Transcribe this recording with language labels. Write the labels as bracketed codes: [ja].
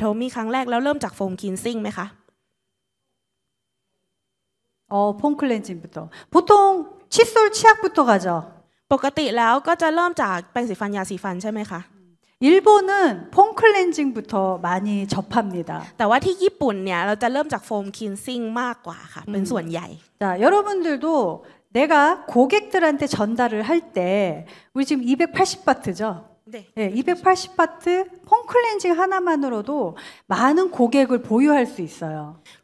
[th] มีใครที่ตอนที่ได้มารู้จักผลิตภัณฑ์ของอะโทมี่ครั้งแรกแล้วเริ่มจากโฟมคลีนซิ่งไหมคะ [ko] ผงคลีนซิ่ง부터 보통 칫솔 치약부터 가죠 [th] ปกติแล้วก็จะเริ่มจากแปรงสีฟันยาสีฟันใช่ไหมคะ [ko] 일본은 폼클렌징부터 많이 접합니다. [th] แต่ว่าที่ญี่ปุ่นเนี่ยเราจะเริ่มจากโฟมคลีนซิ่งมากกว่าค่ะเป็นส่วนใหญ่ [ko] 자, 여러분들도 내가 고객들한테 전달을 할 때 우리 지금 280바트죠? 네. 네, 280바트 폼클렌징 하나만으로도 많은 고객을 보유할 수 있어요.